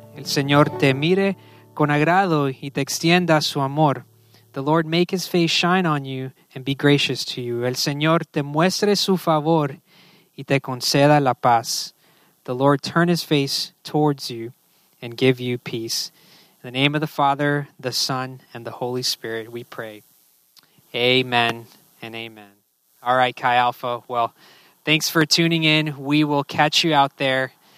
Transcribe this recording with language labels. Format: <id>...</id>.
<es>El Señor te mire con agrado y te extienda su amor.</es> <en>The Lord make his face shine on you and be gracious to you.</en> <es>El Señor te muestre su favor y te conceda la paz.</es> <en>The Lord turn his face towards you and give you peace. In the name of the Father, the Son, and the Holy Spirit, we pray. Amen and amen. All right, Chi Alpha. Well, thanks for tuning in. We will catch you out there.</en>